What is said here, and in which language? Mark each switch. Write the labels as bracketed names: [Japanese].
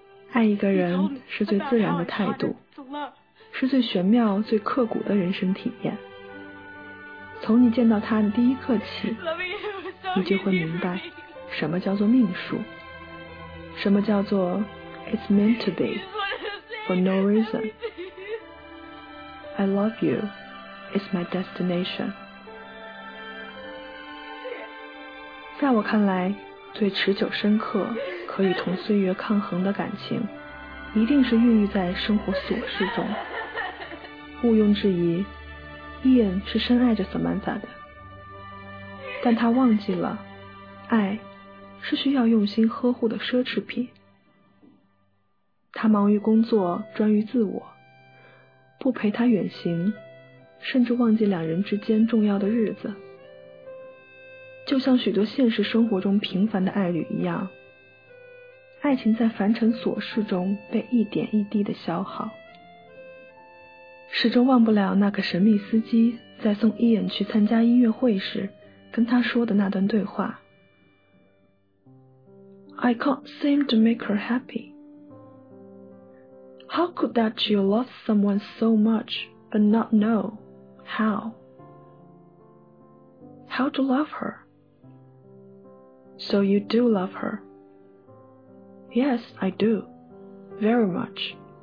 [Chinese] 爱一个人是最自然的态度，是最玄妙最刻骨的人生体验。从你见到他的第一刻起，你就会明白什么叫做命数，什么叫做 It's meant to be for no reason. [English] I love you, it's my destination. [Chinese] 在我看来，最持久深刻可以同岁月抗衡的感情，一定是孕育在生活琐事中。毋庸置疑，伊恩是深爱着 Samantha 的，但他忘记了，爱是需要用心呵护的奢侈品。他忙于工作，专于自我，不陪他远行，甚至忘记两人之间重要的日子。就像许多现实生活中平凡的爱侣一样，爱情在凡尘琐事中被一点一滴的消耗。始终忘不了那个神秘司机在送伊恩去参加音乐会时跟他说的那段对话。 [English] I can't seem to make her happy. How could that you love someone so much but not know how? How to love her? So you do love her? Yes, I do. Very much.